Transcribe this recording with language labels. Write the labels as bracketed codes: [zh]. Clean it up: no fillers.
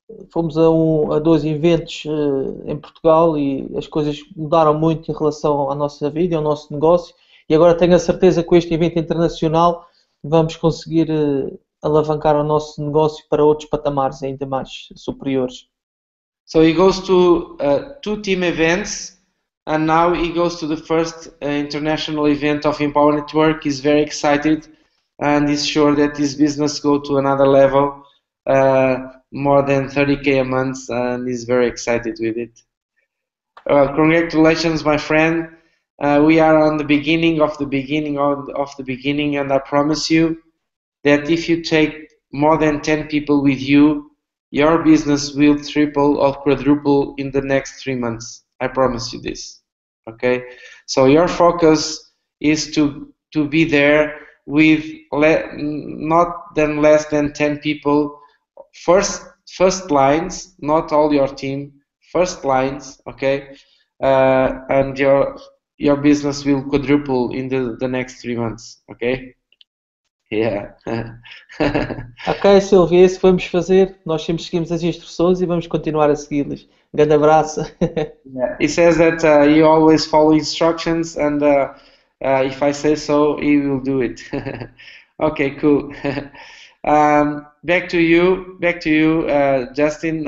[pt] Fomos a dois eventos em Portugal e as coisas mudaram muito em relação à nossa vida e ao nosso negócio. E agora tenho a certeza que com este evento internacional vamos conseguir alavancar o nosso negócio para outros patamares ainda mais superiores. [en] So he goes to two team events. And now he goes to the first international event of Empower Network. He's very excited and is sure that his business go to another level, more than 30K a month, and he's very excited with it. Congratulations, my friend. We are on the beginning of the beginning of the beginning, and I promise you that if you take more than 10 people with you, your business will triple or quadruple in the next 3 months. I promise you this. Okay, so your focus is to be there with less than 10 people, first lines, not all your team, first lines, okay, and your business will quadruple in the next 3 months, okay? Yeah. [pt] Okay, Silvio, é isso que vamos fazer. Nós sempre seguimos as instruções e vamos continuar a segui-las. Um grande abraço. [en] Yeah. He says that he always follows instructions, and if I say so, he will do it. Okay, cool. Back to you, Justin.